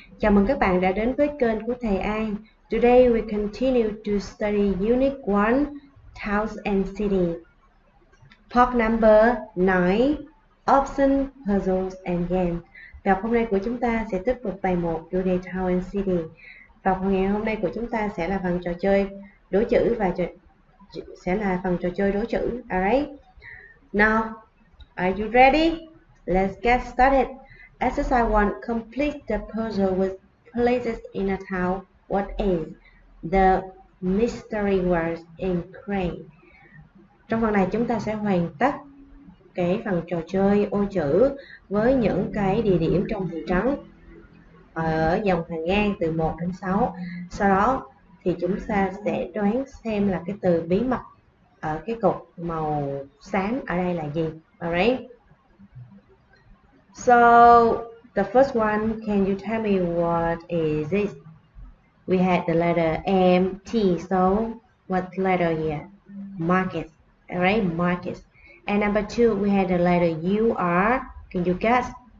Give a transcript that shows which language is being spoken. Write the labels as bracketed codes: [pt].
[vi] Chào mừng các bạn đã đến với kênh của thầy An. [en] Today we continue to study Unit 1, Towns and City. Part number 9, Options, Puzzles and Games. [vi] Tập hôm nay của chúng ta sẽ tiếp tục bài 1, chủ đề Towns and City. Và ngày hôm nay của chúng ta sẽ là phần trò chơi đối chữ và sẽ là phần trò chơi đối chữ. [en] Alright? Now, are you ready? Let's get started. Exercise 1. Complete the puzzle with places in a town. What is the mystery word in crane? [vi] Trong phần này chúng ta sẽ hoàn tất cái phần trò chơi ô chữ với những cái địa điểm trong hàng trắng ở dòng hàng ngang từ 1 đến 6. Sau đó thì chúng ta sẽ đoán xem là cái từ bí mật ở cái cột màu xám ở đây là gì. [en] Alright? So, the first one, can you tell me what is it? We had the letter M, T, so what letter here? Market, alright, market. And number two, we had the letter U, R, can you guess?